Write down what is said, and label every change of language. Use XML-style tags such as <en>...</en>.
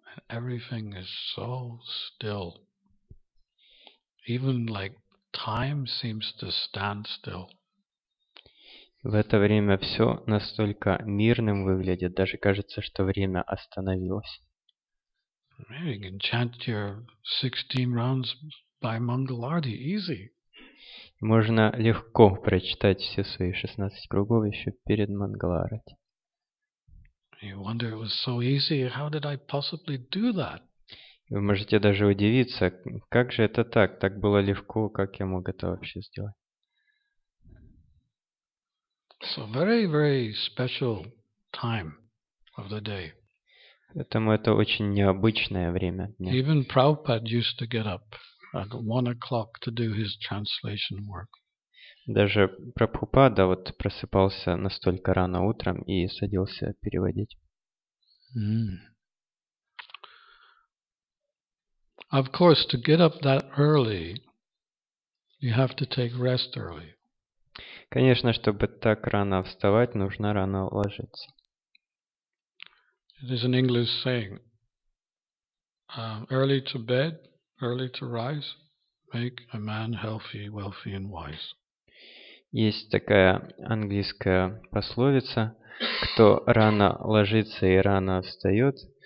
<en>Everything is so still. Even like time seems to stand still.</en> <ru>В это время все настолько мирным выглядит, даже кажется, что время остановилось.</ru> <en>Maybe you can chant your 16 rounds by Mangal Arati easy.</en> <ru>Можно легко прочитать все свои 16 кругов еще перед Мангал Арати.</ru> <en>You wonder it was so easy. How did I possibly do that?</en> <ru>Вы можете даже удивиться, как же это так? Так было легко, как я мог это вообще сделать?</ru> <en>So very, very special time of the day.</en> <ru>Поэтому это очень необычное время дня.</ru> <en>Even Prabhupada used to get up at 1 o'clock to do his translation work.</en> <ru>Даже Прабхупада вот просыпался настолько рано утром и садился переводить. Mm.</ru> <en>Of course, to get up that early, you have to take rest early.</en> <ru>Конечно, чтобы так рано вставать, нужно рано ложиться.</ru> <en>There's an English saying, early to bed, early to rise, make a man healthy, wealthy and wise.</en> <ru>Есть такая английская пословица, кто рано ложится и рано встает,</ru>